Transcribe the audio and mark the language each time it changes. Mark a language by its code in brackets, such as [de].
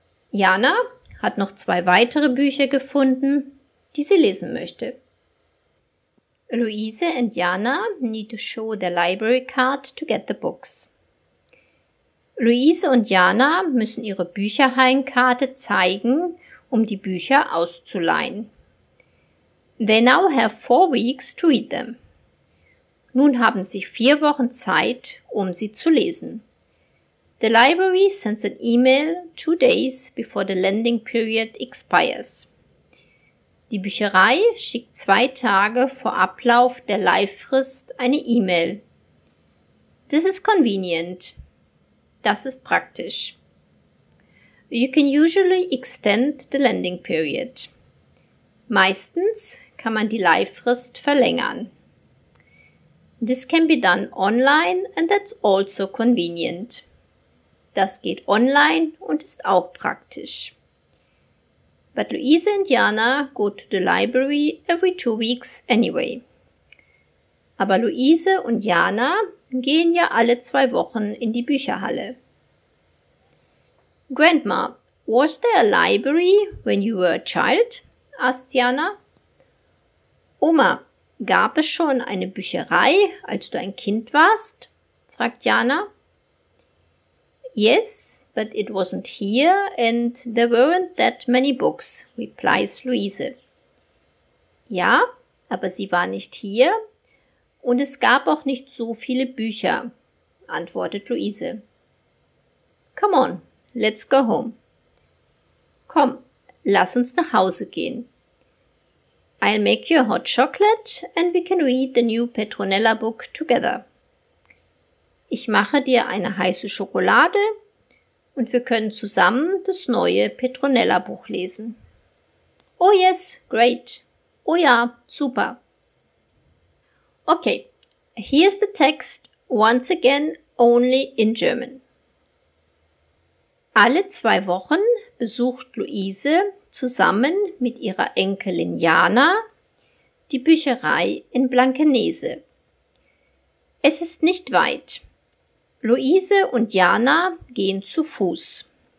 [de] Jana hat noch zwei weitere Bücher gefunden, die sie lesen möchte. [en] Luise and Jana need to show their library card to get the books. [de] Luise und Jana müssen ihre Bücherhallenkarte zeigen, um die Bücher auszuleihen. [en] They now have 4 weeks to read them. [de] Nun haben sie 4 Wochen Zeit, um sie zu lesen. [en] The library sends an email 2 days before the lending period expires. [de] Die Bücherei schickt 2 Tage vor Ablauf der Leihfrist eine E-Mail. [en] This is convenient. [de] Das ist praktisch. [en] You can usually extend the lending period. [de] Meistens kann man die Leihfrist verlängern. [en] This can be done online and that's also convenient. [de] Das geht online und ist auch praktisch. [en] But Luise and Jana go to the library every 2 weeks anyway. [de] Aber Luise und Jana gehen ja alle 2 Wochen in die Bücherhalle. [en] Grandma, was there a library when you were a child? Asked Jana. [de] Oma, gab es schon eine Bücherei, als du ein Kind warst? Fragt Jana. [en] Yes, but it wasn't here and there weren't that many books, replies Luise. [de] Ja, aber sie war nicht hier und es gab auch nicht so viele Bücher, antwortet Luise. [en] Come on, let's go home. [de] Komm, lass uns nach Hause gehen. [en] I'll make you a hot chocolate and we can read the new Petronella book together. [de] Ich mache dir eine heiße Schokolade und wir können zusammen das neue Petronella Buch lesen. [en] Oh yes, great. [de] Oh ja, super. [en] Okay, here's the text once again only in German. [de] Alle 2 Wochen besucht Luise zusammen mit ihrer Enkelin Jana die Bücherei in Blankenese. Es ist nicht weit. Luise und Jana gehen zu Fuß.